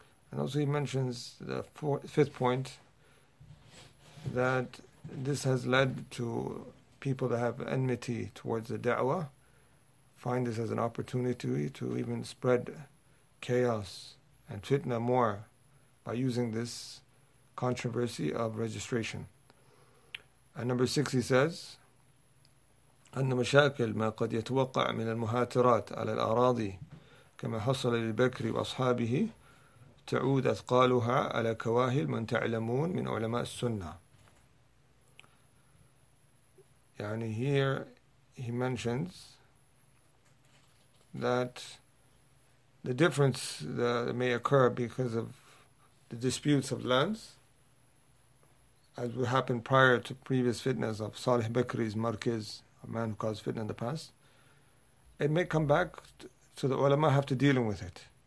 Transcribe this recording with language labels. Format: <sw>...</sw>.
<en>And also he mentions the fifth point, that this has led to people that have enmity towards the da'wah find this as an opportunity to even spread chaos and fitnah more by using this controversy of registration. And number six, he says,</en> <ar>أن مشاكل ما قد يتوقع من المهاترات على الأراضي كما حصل للبكري وأصحابه تعود أثقالها على كواهل من تعلمون من علماء السنة. يعني</ar> <en>here he mentions that the difference that may occur because of the disputes of lands, as would happen prior to previous fitnas of Salih Bakri's Markiz, a man who caused fitna in the past, it may come back, so the ulama have to deal with it.</en>